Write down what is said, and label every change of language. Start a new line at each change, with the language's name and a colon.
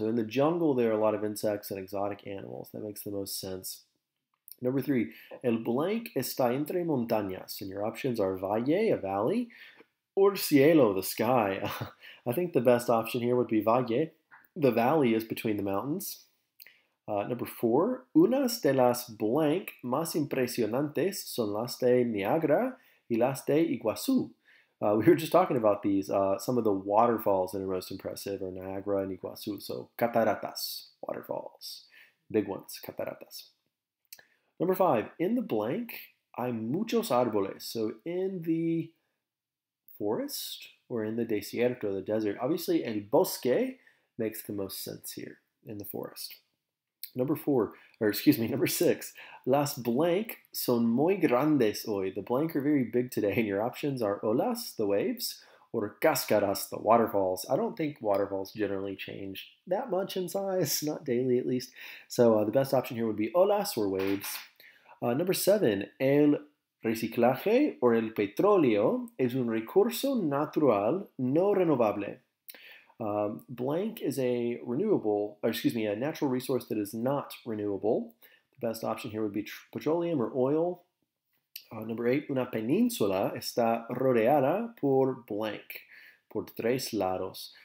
English: So in the jungle, there are a lot of insects and exotic animals. That makes the most sense. Number three,
Spanish: el blank está entre montañas.
English: And your options are valle, a valley, or cielo, the sky. I think the best option here would be valle. The valley is between the mountains. Number four,
Spanish: unas de las blank más impresionantes son las de Niagara y las de Iguazú.
English: We were just talking about these. Some of the waterfalls that are most impressive are Niagara and Iguazú. So cataratas, waterfalls, big ones, cataratas. Number five, in the blank
Spanish: hay muchos árboles.
English: So in the forest or in the desierto, the desert, obviously el bosque makes the most sense here in the forest. Number six,
Spanish: las blank son muy grandes hoy.
English: The blank are very big today, and your options are olas, the waves, or cascadas, the waterfalls. I don't think waterfalls generally change that much in size, not daily at least. So the best option here would be olas or waves. Number seven,
Spanish: el reciclaje o el petróleo es un recurso natural no renovable.
English: Blank is a renewable, or excuse me, a natural resource that is not renewable. The best option here would be petroleum or oil. Number eight,
Spanish: una península está rodeada por blank, por tres lados.